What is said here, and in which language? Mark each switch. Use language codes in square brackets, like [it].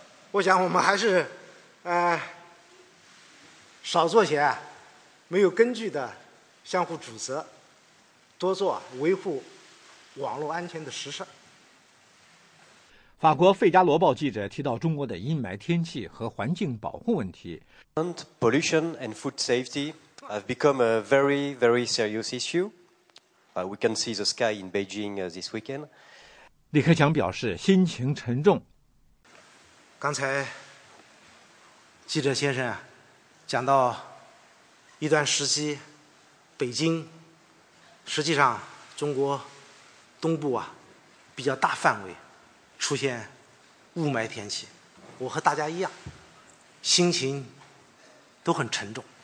[zh] 我想我们还是少做些没有根据的相互指责，多做维护网络安全的实事。法国《费加罗报》记者提到中国的阴霾天气和环境保护问题。 [en] And pollution and food safety have become a very very serious issue. We can see the sky in Beijing this weekend. [zh] 李克强表示心情沉重。刚才记者先生讲到一段时期北京，实际上中国东部比较大范围出现雾霾天气，我和大家一样心情都很沉重，